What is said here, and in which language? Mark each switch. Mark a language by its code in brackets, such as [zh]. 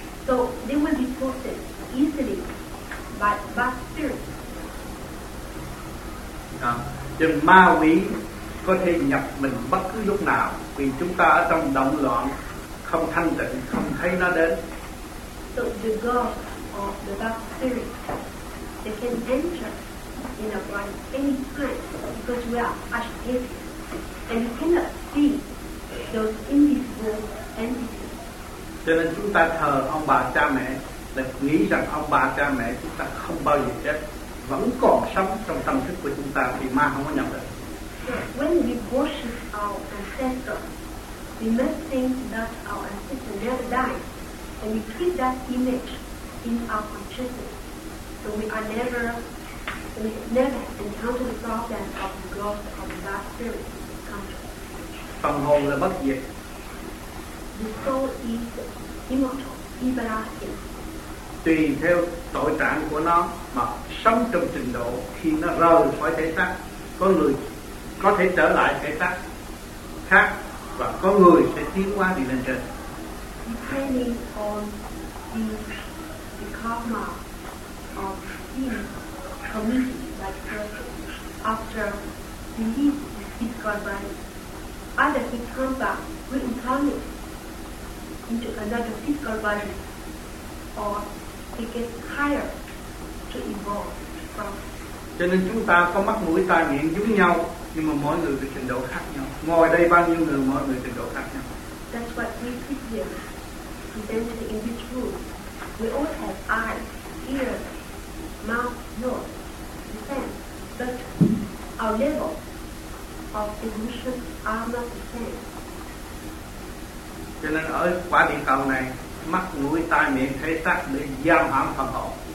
[en] So they will be tempted easily by bad spirits. [vi] Thì ma quỷ có thể nhập mình bất cứ lúc nào, vì chúng ta ở trong động loạn, không thanh tịnh, không thấy nó đến. [en] So the god of the bad spirit, they can enter in a body any time because we are agitated and we cannot see those invisible entities. [vi] Cho nên chúng ta thờ ông bà cha mẹ là nghĩ rằng ông bà cha mẹ chúng ta không bao giờ chết, vẫn còn sống trong tâm thức của chúng ta, thì ma không có nhập được. [en] When we worship our ancestors, we must think that our ancestors never died, and we keep that image in our consciousness. So we are never, encounter the problem of the ghost of the bad spirit come to us. [vi] Phần hồn là bất diệt. [en] The soul is immortal, everlasting. [vi] Tùy theo tội trạng của nó mà sống trong trình độ, khi nó rời khỏi thể xác, có người có thể trở lại thể xác khác và có người sẽ tiến qua đi lên trên. [en] Depending on the the karma of him committing that person after he leaves his physical body. Either he comes back, reincarnate into another physical body, or he gets higher to evolve from. [vi] Cho nên chúng ta có mắt mũi tai miệng giống nhau, nhưng mà mỗi người có trình độ khác nhau. Ngồi đây bao nhiêu người, mỗi người trình độ khác nhau. [en] That's what we sit here, presented in this room. We all have eyes, ears, mouth, nose, sense. But our level of evolution are not the same. [vi] Cho nên ở quả địa cầu này, mắt mũi tai miệng thể xác để giam hãm phần hồn.